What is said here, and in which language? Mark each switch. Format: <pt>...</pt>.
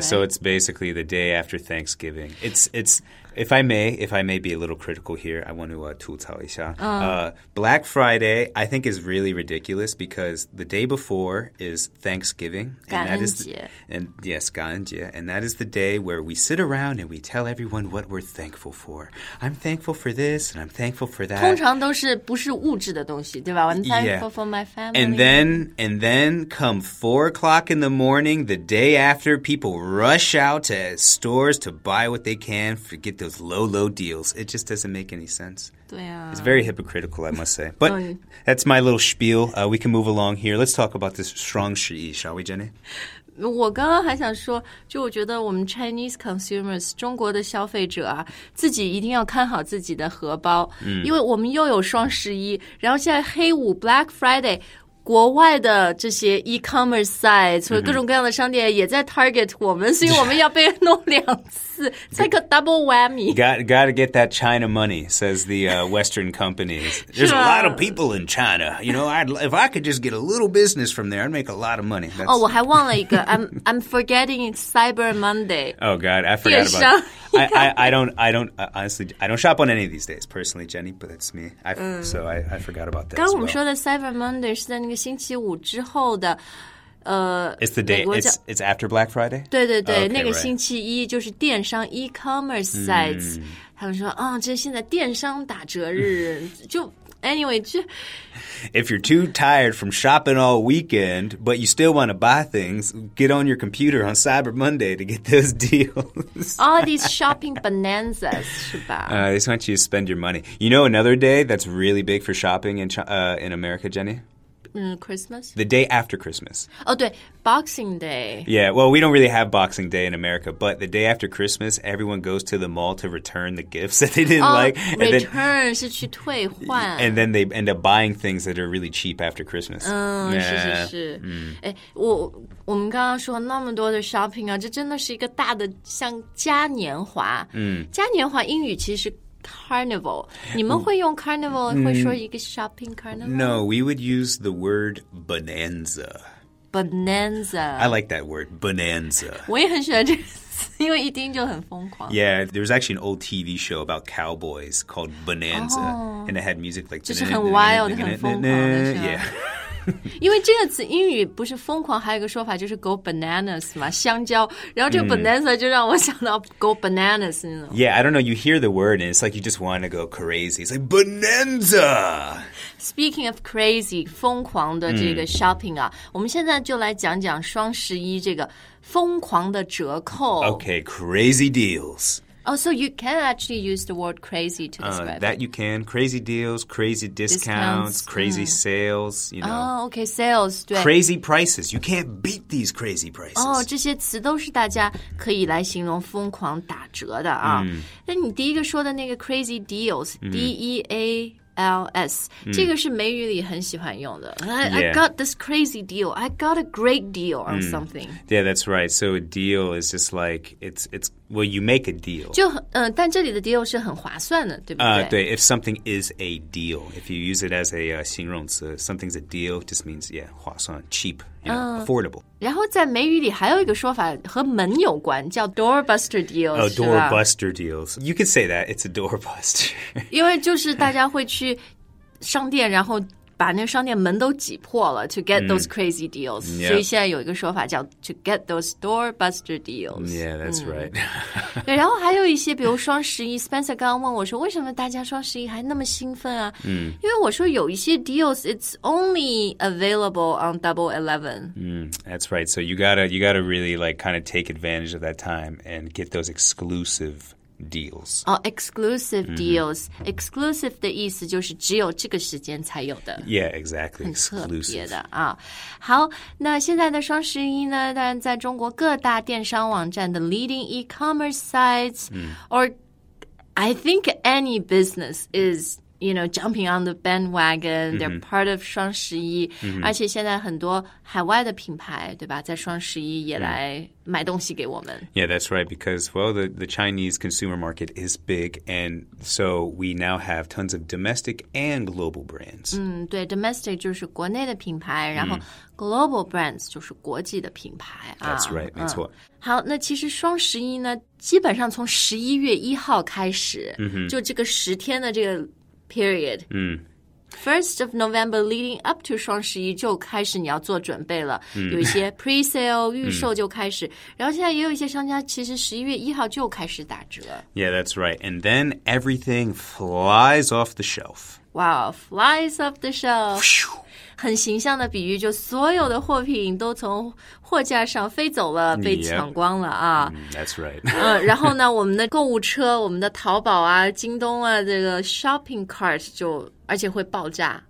<en>so it's basically the day after Thanksgiving. It's if I may be a little critical here, I want to</en> <zh>吐槽一下</zh> <en>Black Friday, I think is really ridiculous because the day before is Thanksgiving, and that is 感恩节, and that is the day where we sit around and we tell everyone what we're thankful for. I'm thankful for this and I'm thankful for that.</en> <zh>通常都是不是物质的东西，对吧 ？</zh> <en>I'm thankful、 for my family. And then come 4 o'clock in the morning, the day after, people rush out to stores to buy what they can for get those low deals. It just doesn't make any sense.</en> <zh>对啊</zh> <en>It's very hypocritical, I must say. But that's my little spiel. We can move along here. Let's talk about this 双十一 shall we, Jenny?</en> <zh>我刚刚还想说，就我觉得我们</zh> <en>Chinese consumers,</en> <zh>中国的消费者啊，自己一定要看好自己的荷包，因为我们又有双十一，然后现在黑五 Black Friday。国外的这些 e-commerce sites 或者各种各样的商店也在 target 我们、mm-hmm. 所以我们要被弄两次</zh> <en>It's like a double whammy. Gotta get that China money, says the Western companies. There's a lot of people in China. You know, if I could just get a little business from there, I'd make a lot of money.、That's... Oh,</en> <zh>我还忘了一个</zh> <en>I'm forgetting Cyber Monday. Oh, God, I forgot about it. I don't shop on any of these days, personally, Jenny, but it's me. I forgot about this.</en> <zh>刚刚我们说的 Cyber Monday 是在那个星期五之后的</zh> <en>It's the day, it's after Black Friday?</en> <zh>对对对、</zh> <en>oh, okay,</en> <zh>那个星期一就是电商</zh> <en>e-commerce sites、 mm.</en> <zh>他们说、哦、这现在电商打折日就 anyway,</zh> <en>If you're too tired from shopping all weekend, but you still want to buy things, get on your computer on Cyber Monday to get those deals. All these shopping bonanzas,</en> <zh>是吧、</zh> <en>They just want you to spend your money. You know another day that's really big for shopping in America, Jenny? Christmas? The day after Christmas. Oh, 对 Boxing Day. Yeah, well, we don't really have Boxing Day in America, but the day after Christmas, everyone goes to the mall to return the gifts that they didn't like. And return,</en> <zh>是去退换。</zh> <en>And then they end up buying things that are really cheap after Christmas.</en> <zh>是是是。我们刚刚说那么多的 shopping 啊，这真的是一个大的像嘉年华。嘉年华英语其实Carnival. 你们会用 carnival 会说一个</zh> <en>shopping carnival? No, we would use the word bonanza. Bonanza. I like that word, bonanza.</en> <zh>我也很喜欢这个词，因为一听就很疯狂。</zh> <en>Yeah, there was actually an old TV show about cowboys called Bonanza. And it had music like...</en> <zh>就是很 wild, 很疯狂的是吧?</zh> <en>Yeah.</en> <zh>因为这个词英语不是疯狂，还有一个说法就是 go bananas 嘛，香蕉。然后这个 banana 就让我想到</zh> <en>go bananas、</en> <zh>mm.</zh> <en>you know? Yeah, I don't know, you hear the word and it's like you just want to go crazy. It's like bonanza. Speaking of crazy,</en> <zh>疯狂的这个 shopping 啊、mm. 我们现在就来讲讲双十一这个疯狂的折扣。</zh> <en>Okay, crazy deals. Oh, so you can actually use the word crazy to describe it. That you can. Crazy deals, crazy discounts, crazy、mm. sales, you know. Oh, okay, sales. 对 crazy prices. You can't beat these crazy prices.</en> <zh>Oh, 这些词都是大家可以来形容疯狂打折的啊。那、mm. 你第一个说的那个 crazy deals,、mm.</zh> <en>D-E-A-L-S,、mm.</en> <zh>这个是美语里很喜欢用的。</zh> <en>Yeah. I got this crazy deal. I got a great deal on、mm. something. Yeah, that's right. So a deal is just like, it's well, you make a deal.</en> <zh>就、但这里的 deal 是很划算的，对不对？</zh> <en>对 if something is a deal, if you use it as a 形容词 something's a deal, just means, yeah, 划算 cheap, you know, affordable.</en> <zh>然后在美语里还有一个说法和门有关，叫 doorbuster deals,</zh> <en>Oh, doorbuster deals. You could say that, it's a doorbuster.</en> <zh>因为就是大家会去商店然后把那个商店门都挤破了</zh> <en>to get those crazy deals、 mm. yep.</en> <zh>所以现在有一个说法叫</zh> <en>to get those doorbuster deals yeah that's、mm. right</en> <zh>对然后还有一些比如双十一 Spencer 刚刚问我说为什么大家双十一还那么兴奋啊、 mm. 因为我说有一些</zh> <en>deals it's only available on Double 11、 mm. that's right so you gotta really like kind of take advantage of that time and get those exclusive deals. Oh, exclusive deals.、Mm-hmm.</en> <zh>Exclusive 的意思就是只有这个时间才有的。</zh> <en>Yeah, exactly. Exclusive.</en> <zh>很特别的啊。好，那现在的双十一呢，当然在中国各大电商网站的</zh> <en>leading e-commerce sites,、 mm. or I think any business is, you know, jumping on the bandwagon. They're、mm-hmm. part of 双十一。</en> <zh>而且现在很多海外的品牌，对吧，在双十一也来、mm. 买东西给我们</zh> <en>Yeah, that's right, because, well, the Chinese consumer market is big, and so we now have tons of domestic and global brands.</en> <zh>对, domestic 就是国内的品牌、mm. 然后 global brands 就是国际的品牌</zh> <en>That's right,</en> <zh>没错、好,那其实双十一呢,基本上从11月1号开始、 mm-hmm. 就这个十天的这个 period、 mm.</zh> <en>First of November leading up to</en> <zh>双十一就开始你要做准备了、 mm. 有一些 pre-sale 预售就开始、mm. 然后现在也有一些商家其实11月1号就开始打折</zh> <en>Yeah, that's right. And then everything flies off the shelf. Wow, flies off the shelf.</en> <zh>很形象的比喻就所有的货品都从货架上飞走了被抢光了啊、</zh> <en>yep. That's right.</en> <zh>、然后呢我们的购物车我们的淘宝啊京东啊这个 shopping cart 就而且会爆炸</zh>